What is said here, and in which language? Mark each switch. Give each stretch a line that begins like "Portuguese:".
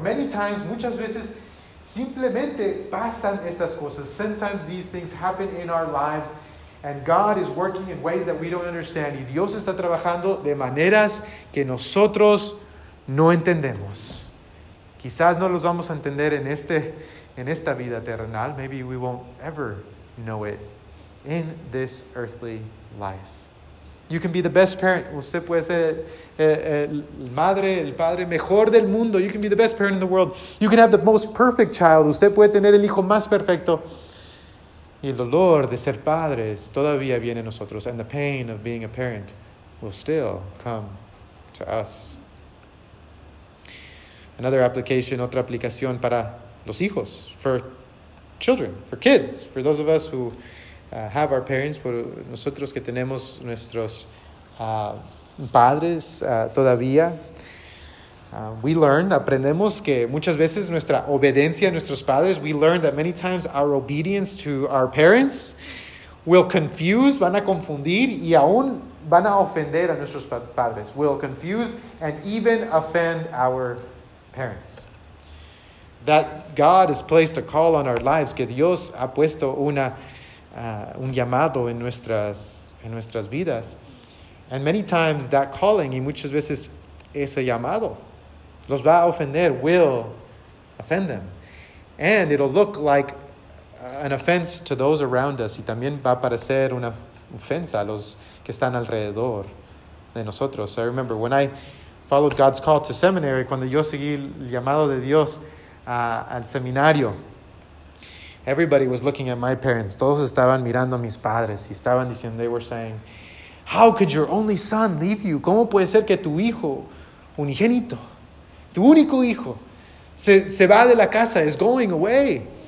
English: Many times,
Spanish: muchas veces, simplemente pasan estas cosas.
English: Sometimes these things happen in our lives and God is working in ways that we don't understand.
Spanish: Y Dios está trabajando de maneras que nosotros no entendemos. Quizás no los vamos a entender en este en esta vida terrenal.
English: Maybe we won't ever know it in this earthly life. You can be the best parent.
Spanish: Usted puede ser el madre, el padre mejor del mundo.
English: You can be the best parent in the world. You can have the most perfect child.
Spanish: Usted puede tener el hijo más perfecto. Y el dolor de ser padres todavía viene a nosotros.
English: And the pain of being a parent will still come to us. Another application,
Spanish: otra aplicación para los hijos,
English: for children, for kids, for those of us who have our parents,
Spanish: por nosotros que tenemos nuestros padres todavía,
English: we learn,
Spanish: aprendemos que muchas veces nuestra obediencia a nuestros padres,
English: we learn that many times our obedience to our parents will confuse,
Spanish: van a confundir y aún van a ofender a nuestros padres,
English: will confuse and even offend our parents. That God has placed a call on our lives.
Spanish: Que Dios ha puesto un llamado en nuestras vidas.
English: And many times that calling,
Spanish: y muchas veces ese llamado, los va a ofender,
English: will offend them. And it'll look like an offense to those around us.
Spanish: Y también va a parecer una ofensa a los que están alrededor de nosotros.
English: So I remember when I followed God's call to seminary,
Spanish: cuando yo seguí el llamado de Dios al seminario,
English: everybody was looking at my parents.
Spanish: Todos estaban mirando a mis padres y estaban diciendo,
English: they were saying, how could your only son leave you?
Spanish: ¿Cómo puede ser que tu hijo unigénito, tu único hijo, se va de la casa,
English: is going away?